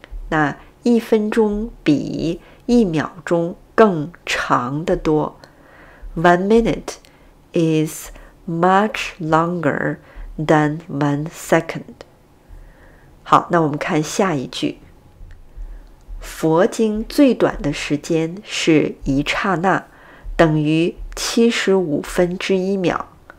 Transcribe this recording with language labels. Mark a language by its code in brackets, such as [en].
[zh] 那一分钟比一秒钟更长得多。 [en] One minute is much longer than one second. [zh] 好，那我们看下一句。佛经最短的时间是一刹那，等于75分之1秒。